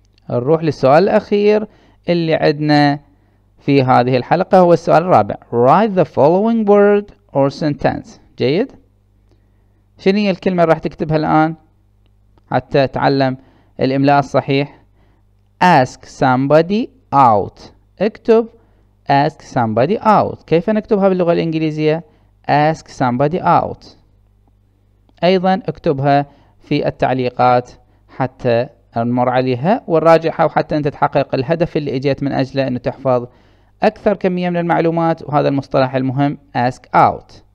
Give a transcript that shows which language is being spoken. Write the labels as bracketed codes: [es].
[ar] نروح للسؤال الأخير اللي عندنا في هذه الحلقة، هو السؤال الرابع. [en] Write the following word or sentence. [ar] جيد؟ شنو هي الكلمة اللي راح تكتبها الآن حتى تعلم الإملاء الصحيح؟ [en] Ask somebody out. [ar] اكتب [en] Ask somebody out. [ar] كيف نكتبها باللغة الإنجليزية؟ [en] Ask somebody out. [ar] أيضا اكتبها في التعليقات حتى نمر عليها ونراجعها، وحتى أنت تحقق الهدف اللي إجيت من أجله أنه تحفظ أكثر كمية من المعلومات وهذا المصطلح المهم [en] Ask out.